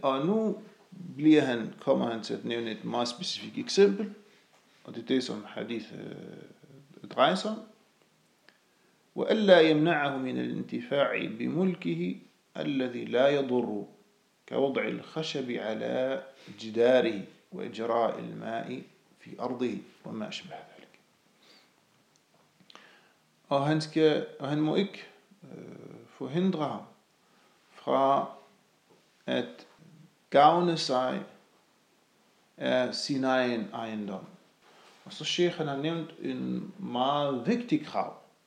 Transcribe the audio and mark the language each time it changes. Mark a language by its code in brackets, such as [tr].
[da] Og nu bliver han, kommer han til at nævne et meget specifikt eksempel, og det er det, som hadith drejer sig om. [ar] وألا يمنعه من الانتفاع بملكه الذي لا يضر كوضع الخشب على جداره وإجراء الماء في أرضه وما أشبه ذلك. [da] Han må ikke forhindre ham fra at gavne sig af sin egen ejendom. Og så sheikhen har nævnt en meget vigtig krav.